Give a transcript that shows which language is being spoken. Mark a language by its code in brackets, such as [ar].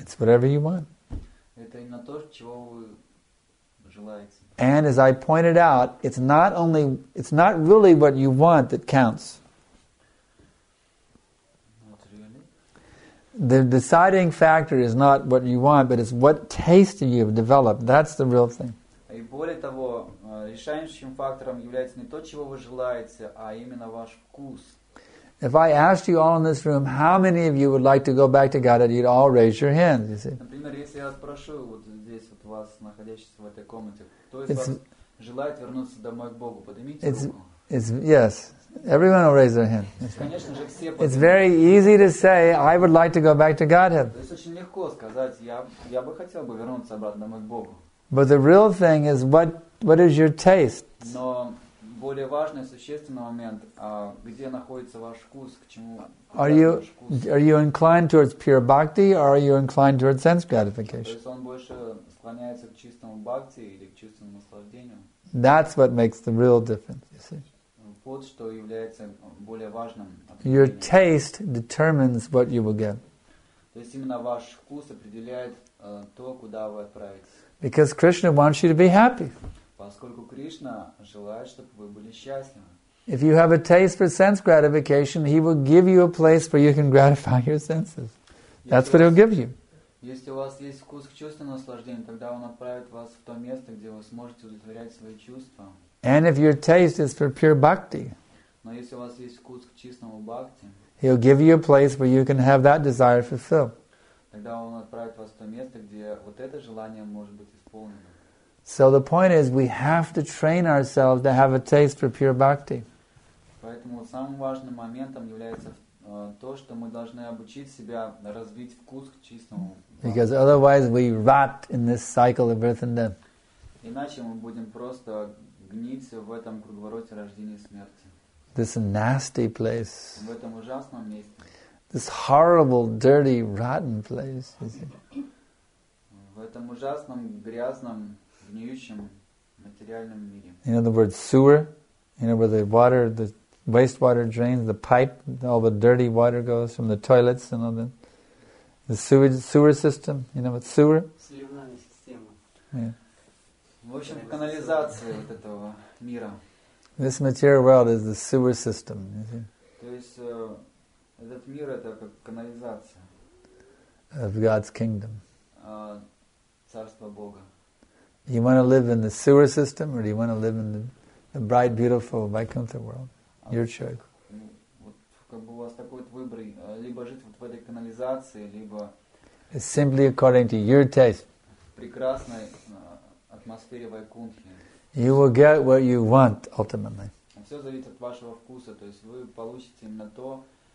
[en] It's whatever you want. [ru] Это именно то, чего вы желаете. [en] And as I pointed out, it's not really what you want that counts. Not really. The deciding factor is not what you want, but it's what taste you have developed. That's the real thing. [ru] И более того, решающим фактором является не то, чего вы желаете, а именно ваш вкус. [en] If I asked you all in this room, how many of you would like to go back to Godhead, you'd all raise your hand, you see. [ru] Например, если я спрошу вот здесь вот вас, находящихся в этой комнате, кто из вас желает вернуться домой к Богу, поднимите руку. [en] Yes, everyone will raise their hand. [ru] Конечно же, все. [en] It's very easy to say, I would like to go back to Godhead. [ru] То есть очень легко сказать, я бы хотел бы вернуться обратно домой к Богу. [en] But the real thing is, what is your taste? [ru] Но более важный существенный момент, где находится ваш вкус, к чему? [en] Are you inclined towards pure bhakti, or are you inclined towards sense gratification? [ru] То есть он больше склоняется к чистому бхакти или к чистому наслаждению? [en] That's what makes the real difference. You see? [ru] Вот что является более важным. [en] Your taste determines what you will get. [ru] То есть именно ваш вкус определяет то, куда вы отправитесь. [en] Because Krishna wants you to be happy. [ru] Поскольку Кришна желает, чтобы вы были счастливы. [en] If you have a taste for sense gratification, he will give you a place where you can gratify your senses. That's what he'll give you. [ru] Если у вас есть вкус к чувственному наслаждению, тогда он отправит вас в то место, где вы сможете удовлетворять свои чувства. [en] And if your taste is for pure bhakti, [ru] но если у вас есть вкус к чистому бхакти, [en] he'll give you a place where you can have that desire fulfilled. [ru] Тогда он отправит вас в то место, где вот это желание может быть исполнено. [en] So the point is, we have to train ourselves to have a taste for pure bhakti. [ru] Поэтому самым важным моментом является то, что мы должны обучить себя развить вкус к чистому бхакти. [en] Because otherwise we rot in this cycle of birth and death. [ru] Иначе мы будем просто гнить в этом круговороте рождения и смерти. [en] This nasty place. [ru] В этом ужасном месте. [en] This horrible, dirty, rotten place, you see. [ru] В этом ужасном, грязном, гниющем материальном мире. [en] You know the word sewer? You know where the water, the wastewater drains, the pipe, all the dirty water goes from the toilets and all that? The sewer system? You know what sewer? [ru] Сливная система. [en] Yeah. [ru] В общем, канализация вот этого мира. [en] This material world is the sewer system, you see. [ru] То есть... Этот мир — это как канализация. [en] Of God's kingdom. [ru] Царство Бога. [en] Do you want to live in the sewer system, or do you want to live in the bright, beautiful Vaikuntha world? Your choice. [ru] Вот как бы у вас такой выбор: либо жить вот в этой канализации, либо. [en] It's simply according to your taste. [ru] Прекрасной атмосфере Вайкунтхи. [en] You will get what you want ultimately. [ru] Все зависит от вашего вкуса, то есть вы получите именно то.